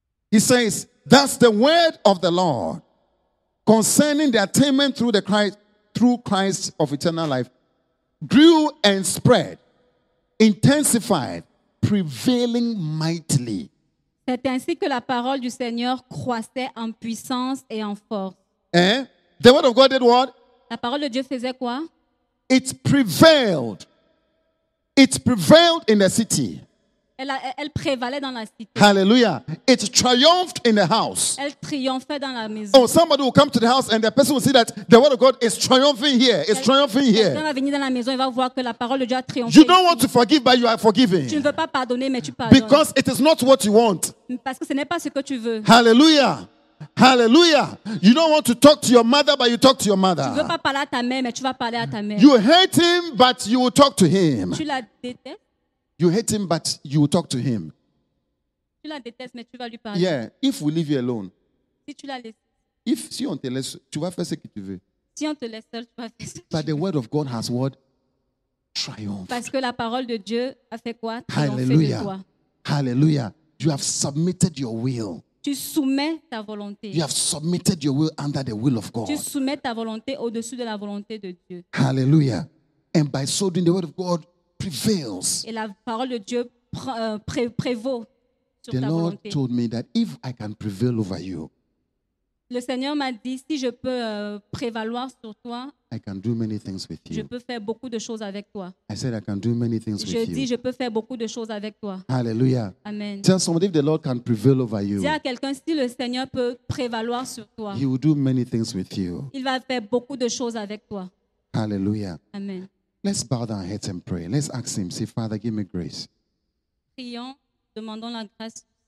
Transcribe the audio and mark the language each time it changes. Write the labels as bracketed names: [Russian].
[English] He says, that's the word of the Lord concerning the attainment through Christ of eternal life grew and spread, intensified, prevailing mightily. [French] C'est ainsi que la parole du Seigneur croissait en puissance et en force. [English] Eh? The word of God did what? [French] La parole de Dieu faisait quoi? [English] It prevailed. It prevailed in the city. [French] Elle prévalait dans la cité. [English] Hallelujah. It triumphed in the house. [French] Elle triomphait dans la maison. [English] Oh, somebody will come to the house and the person will see that the word of God is triumphing here. It's triumphing here. [French] Quelqu'un va venir dans la maison et va voir que la parole de Dieu a triomphé. [English] You don't want to forgive, but you are forgiving. [French] Tu ne veux pas pardonner, mais tu pardonnes. [English] Because it is not what you want. [French] Parce que ce n'est pas ce que tu veux. [English] Hallelujah. Hallelujah. You don't want to talk to your mother, but you talk to your mother. [French] Tu ne veux pas parler à ta mère, mais tu vas parler à ta mère. [English] You hate him, but you will talk to him. [French] Tu la détestes. [English] You hate him, but you will talk to him. [French] Tu la détestes, mais tu vas lui parler. [English] Yeah, if we leave you alone. [French] Si tu la laisses. [English] If [French] si on te laisse, tu vas faire ce que tu veux. Si on te laisse seul, tu vas faire ce que tu veux. [English] But the word of God has what? Triumphed. [French] Parce que la parole de Dieu a fait quoi? [English] Hallelujah. [French] Triomphé de toi. [English] Hallelujah. You have submitted your will. [French] Tu soumets ta volonté. [English] You have submitted your will under the will of God. [French] Tu soumets ta volonté au-dessus de la volonté de Dieu. [English] Hallelujah. And by so doing, the word of God prevails. [French] Et la parole de Dieu prévaut sur [English] the [French] ta [English] Lord [French] volonté. [English] Told me that if I can prevail over you, [French] le Seigneur m'a dit si je peux prévaloir sur toi, [English] I can do many things with you. [French] Je peux faire beaucoup de choses avec toi. [English] I said I can do many things [French] je [English] with [French] dis, [English] you. [French] Je peux faire beaucoup de choses avec toi. [English] Hallelujah. Amen. Tell somebody if the Lord can prevail over you. [French] Dis à quelqu'un si le Seigneur peut prévaloir sur toi. [English] He will do many things with you. [French] Il va faire beaucoup de choses avec toi. [English] Hallelujah. Amen. Let's bow down our heads and pray. Let's ask him, say, Father, give me grace. [French] Prions, demandons la grâce.